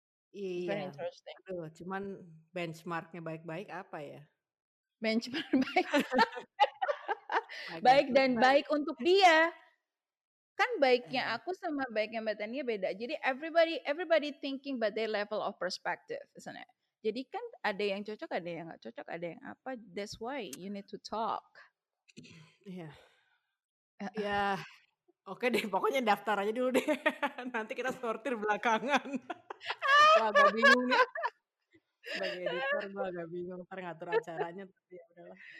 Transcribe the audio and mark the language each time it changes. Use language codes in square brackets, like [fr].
[id] Iya, aduh, cuman benchmarknya baik-baik apa ya? Benchmark baik, baik dan baik untuk dia. Kan baiknya aku sama baiknya Mbak Tania beda. Jadi [en] everybody thinking but their level of perspective, isn't it? [id] Jadi kan ada yang cocok, ada yang nggak cocok, ada yang apa? [en] That's why you need to talk. [id] Oke deh, pokoknya daftar aja dulu deh. Nanti kita sortir belakangan. Wah, gak bingung nih. Sebagai editor gue agak bingung ntar ngatur acaranya. Tapi ya udahlah.